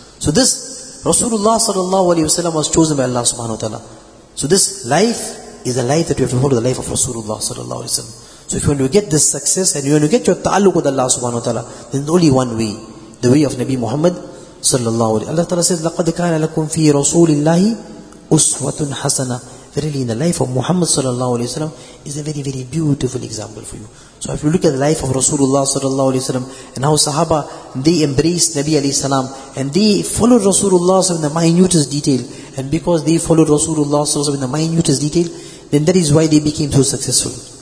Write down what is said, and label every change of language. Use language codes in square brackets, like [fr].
[en] So this Rasulullah sallallahu alayhi wasallam was chosen by Allah subhanahu wa ta'ala. So this life is a life that we have to follow, the life of Rasulullah sallallahu alayhi wasallam. So if you want to get this success and you want to get your ta'alluq with Allah subhanahu wa ta'ala, then there's only one way, the way of Nabi Muhammad sallallahu alayhi wa sallam. Allah ta'ala says, [ar] لَقَدْ كَانَ لَكُمْ فِي رَسُولِ اللَّهِ أُسْوَةٌ حَسَنَةٌ. [en] Verily, in the life of Muhammad sallallahu alayhi wa sallam is a very, very beautiful example for you. So if you look at the life of Rasulullah sallallahu alayhi wa sallam and how Sahaba, they embraced Nabi alayhi salam and they followed Rasulullah in the minutest detail, and because they followed Rasulullah in the minutest detail, then that is why they became so successful.